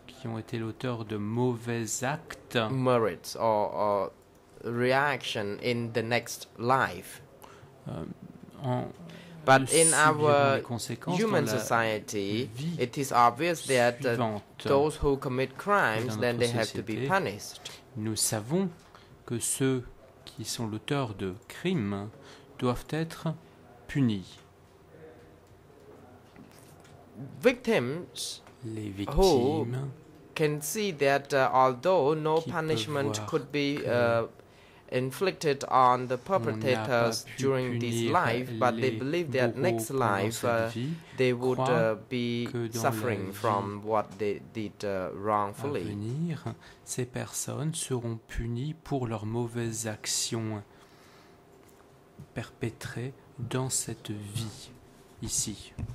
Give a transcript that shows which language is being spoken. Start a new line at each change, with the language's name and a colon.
French: qui ont été l'auteur de mauvais actes
English: merits or reaction in the next life. But in our human society, it is obvious that those who commit crimes, then they
French: société,
English: have to be punished.
French: Nous savons que ceux qui sont l'auteur de crimes doivent être punis.
English: Victims,
French: les victimes,
English: who can see that although no punishment could be inflicted on the perpetrators during this life, but they believe that next life they would be suffering from what they did wrongfully.
French: À venir, ces personnes seront punies pour leurs mauvaises actions perpétrées dans cette vie ici.